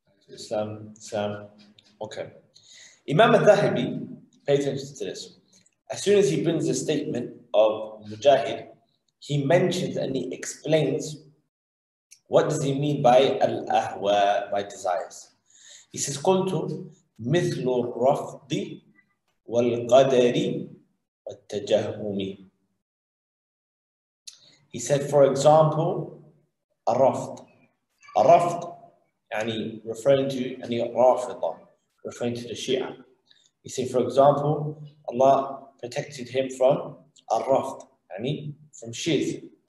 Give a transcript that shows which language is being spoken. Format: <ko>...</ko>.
<en>Islam, okay. Imam al-Dhahabi, pay attention to this. As soon as he brings the statement of Mujahid, he mentions and he explains what does he mean by al-ahwa, by desires. He says,</en> <ar>قُلْتُ مِثْلُ الرَّفْضِ وَالْقَدَرِ وَالْتَجَهُمِ.</ar> <en>He said, for example,</en> <ar>الرَّفْض. الرَّفْض, يعني</ar> <en>referring to any rafida, referring to the Shia. He said, for example, Allah protected him from al-rafd, يعني from Shiz.</en>